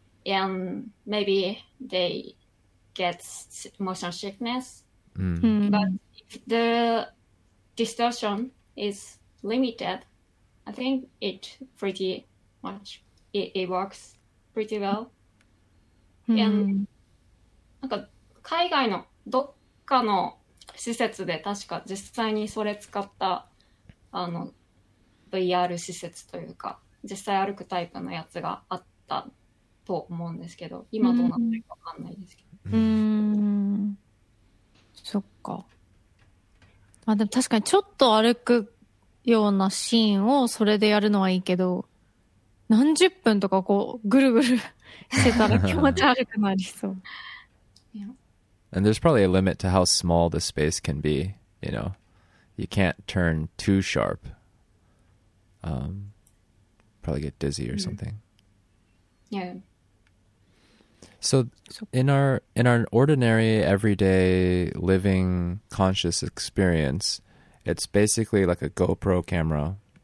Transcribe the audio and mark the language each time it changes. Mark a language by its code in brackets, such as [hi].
[en] And maybe they get motion sickness. But if the distortion is limited, I think it pretty much, it works pretty well. And [ja] なんか海外のどっかの施設で確か実際にそれ使ったあの VR 施設というか、実際歩くタイプのやつがあった。と思うんですけど、今どうなってるか分かんないですけど。そっか。あ、でも確かにちょっと歩くようなシーンをそれでやるのはいいけど、何十分とかこうぐるぐるしてたら気持ち悪くなりそう。 [en] And there's probably a limit to how small the space can be, you know. You can't turn too sharp. Probably get dizzy or something. Yeah. So in our ordinary, everyday, living, conscious experience, it's basically like a GoPro camera.